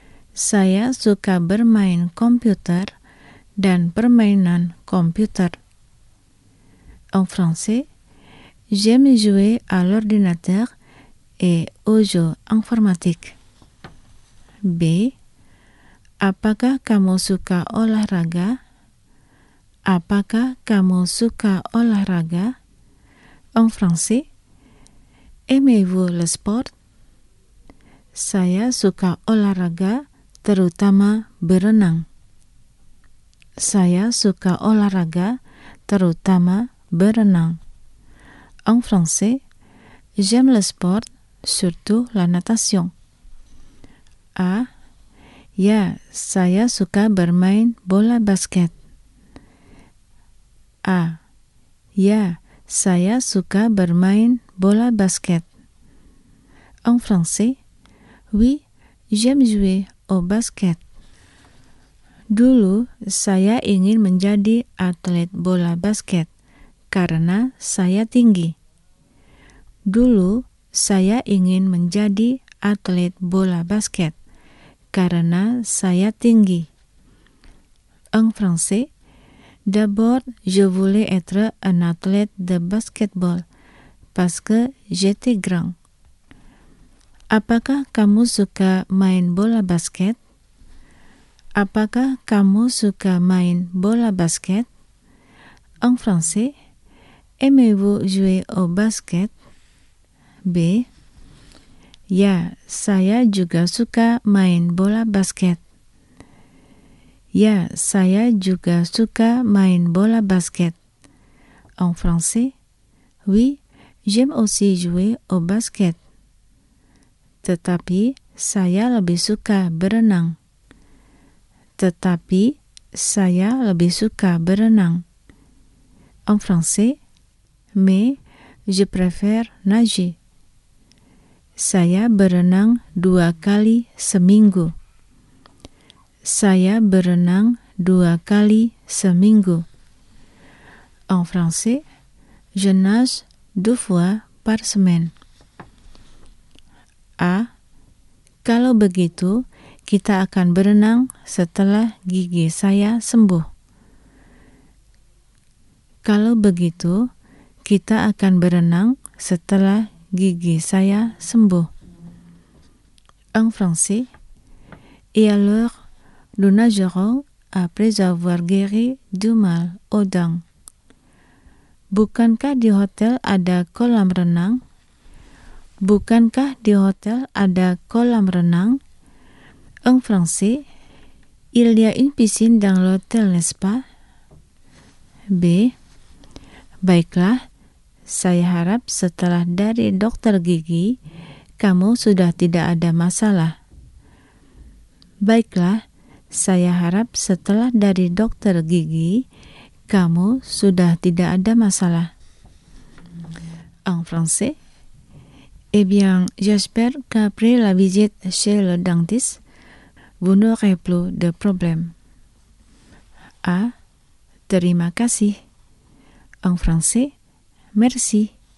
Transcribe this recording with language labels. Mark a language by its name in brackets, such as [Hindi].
[Indonesian] Saya suka bermain komputer dan permainan komputer. [French] En français, j'aime jouer à l'ordinateur et aux jeux informatiques. B. [Indonesian] Apakah kamu suka olahraga? Apakah kamu suka olahraga? [French] En français, aimez-vous le sport? [Indonesian] Saya suka olahraga, terutama berenang. Saya suka olahraga, terutama berenang. [French] En français, j'aime le sport, surtout la natation. [Indonesian] A. Ya, saya suka bermain bola basket. A. Ya, saya suka bermain bola basket. [French] En français, oui, j'aime jouer au basket. [Indonesian] Dulu, saya ingin menjadi atlet bola basket karena saya tinggi. Dulu, saya ingin menjadi atlet bola basket karena saya tinggi. [French] en français. D'abord, je voulais être un athlète de basketball parce que j'étais grand. [Indonesian] Apakah kamu suka main bola basket? Apakah kamu suka main bola basket? [French] En français, aimez-vous jouer au basket? B. [Indonesian] Ya, saya juga suka main bola basket. Ya, saya juga suka main bola basket. [French] En français, oui, j'aime aussi jouer au basket. [Indonesian] Tetapi, saya lebih suka berenang. Tetapi, saya lebih suka berenang. [French] En français, mais je préfère nager. [Indonesian] Saya berenang 2 kali seminggu. Saya berenang 2 kali seminggu. [French] En français, je nage 2 fois par semaine. A. [Indonesian] Kalau begitu, kita akan berenang setelah gigi saya sembuh. Kalau begitu, kita akan berenang setelah gigi saya sembuh. [French] En français, et alors, nous nagerons après avoir guéri du mal aux dents. [Indonesian] Bukankah di hotel ada kolam renang? Bukankah di hotel ada kolam renang? [French] En français, il y a une piscine dans l'hôtel, n'est-ce pas? B. [Indonesian] Baiklah, saya harap setelah dari dokter gigi, kamu sudah tidak ada masalah. Baiklah, saya harap setelah dari dokter gigi, kamu sudah tidak ada masalah. [French] En français, eh bien, j'espère qu'après la visite chez le dentiste, vous n'aurez plus de problème. A. [Indonesian] Terima kasih. [French] En français, merci.